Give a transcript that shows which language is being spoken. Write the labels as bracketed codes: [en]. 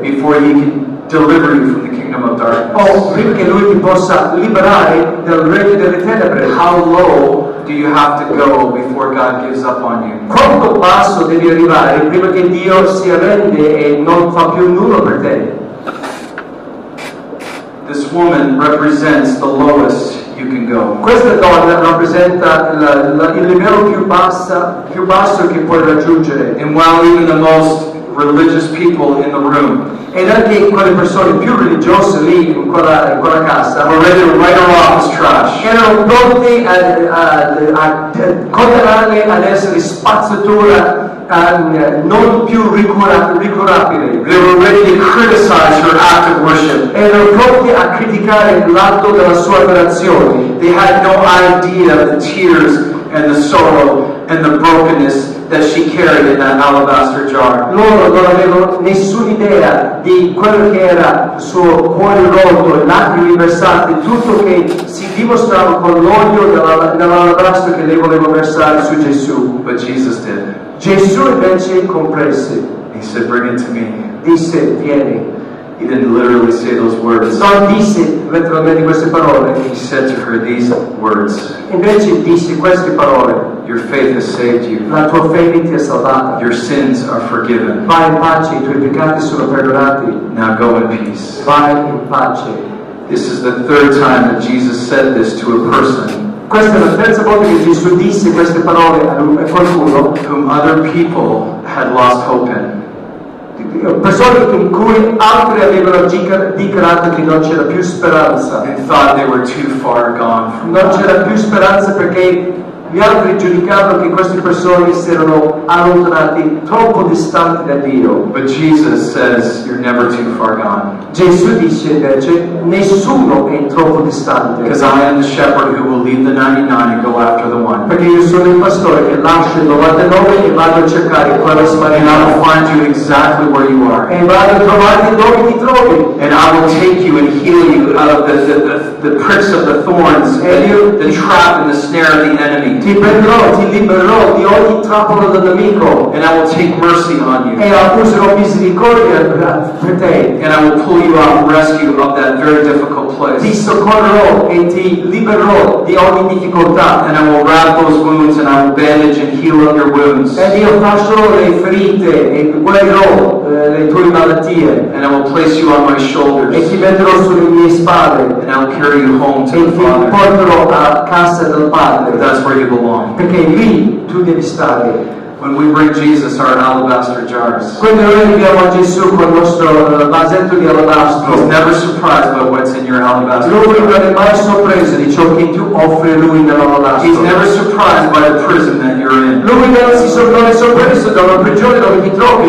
[en] Before he can deliver you from the kingdom of darkness. [it] O prima che lui ti possa liberare dal regno delle tenebre. [en] How low do you have to go before God gives up on you? [it] Quanto basso devi arrivare prima che Dio si arrende e non fa più nulla per te? [en] This woman represents the lowest you you can go. [it] Questa donna rappresenta il livello più basso che puoi raggiungere. [en] And while even the most religious people in the room, [it] ed anche quelle persone più religiose lì in quella casa, [en] already write her off as trash. [it] Erano pronti a condannarle ad essere spazzatura. Non più ricurabile. [en] They were ready to criticize her act of worship. [it] Erano pronti a criticare l'atto della sua adorazione. [en] They had no idea of the tears and the sorrow and the brokenness that she carried in that alabaster jar. [it] Loro non avevano nessuna idea di quello che era il suo cuore rotto, lacrime versate, tutto che si dimostrava con l'olio dell'alabastro che lei voleva versare su Gesù. [en] But Jesus did. [it] Gesù invece comprese. [en] He said, "Bring it to me." [it] Disse, vieni. [en] He didn't literally say those words. [it] Non disse letteralmente queste parole. [en] He said to her these words. [it] Invece disse queste parole. [en] Your faith has saved you. [it] La tua fede ti ha salvata. [en] Your sins are forgiven. [it] Vai in pace, i tuoi peccati sono perdonati. [en] Now go in peace. [it] Vai in pace. [en] This is the third time that Jesus said this to a person. [it] Questa è la terza volta che Gesù disse queste parole a qualcuno [en] whom other people had lost hope in. [it] Persone in cui altri avevano dichiarato che non c'era più speranza. [en] And thought they were too far gone from [it] non c'era più speranza perché gli altri giudicavano che queste persone si erano allontanati troppo distanti da Dio. [en] But Jesus says, "You're never too far gone." [it] Gesù dice invece, nessuno è troppo distante. [en] Because I am the shepherd who will leave the 99 and go after the one. [it] Perché io sono il pastore che lascia il 99 e vado a cercare quello sparito. [en] And I will find you exactly where you are. [it] E vado a trovarti dove ti trovi. [en] And I will take you and heal you out of the pricks of the thorns, the trap and the snare of the enemy. [it] Ti prenderò, ti libererò di ogni trappola del nemico. [en] And I will take mercy on you. [it] E userò misericordia per te. [en] And I will pull you out and rescue of that very difficult place. [it] Ti soccorrerò e ti libererò di ogni difficoltà. [en] And I will wrap those wounds and I will bandage and heal up your wounds. [it] E io fascerò le ferite e guarirò le tue malattie. [en] And I will place you on my shoulders. [it] E ti metterò sulle mie spalle. [en] And I will carry you home to [it] e [en] the Father. [it] E ti porterò a casa del Padre. [en] That's where you belong. [it] Perché lì tu devi stare. [en] When we bring Jesus our alabaster jars, [it] quando noi arriviamo a Gesù con il nostro vasetto di alabastro, [en] he's never surprised by what's in your alabaster jar. [it] Lui non è mai sorpreso di ciò che tu offri lui nell'alabastro. [en] He's never surprised by the prison that you're in. [it] Lui non è sorpreso dalla prigione dove ti trovi.